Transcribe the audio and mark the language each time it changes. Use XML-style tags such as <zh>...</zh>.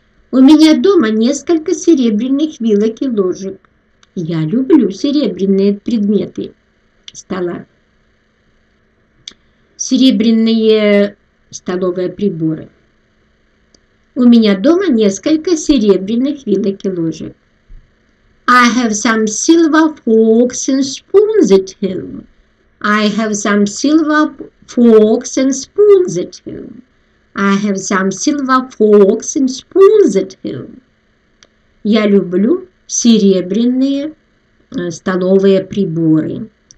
<ru>У меня дома несколько серебряных вилок и ложек. Я люблю серебряные предметы стола. Серебряные столовые приборы. У меня дома несколько серебряных вилок и ложек.</ru> <en>I have some silver forks and spoons at home. I have some silver forks and spoons at home. I have some silver forks and spoons at home.</en> <ru>Я люблю серебряные столовые приборы.</ru>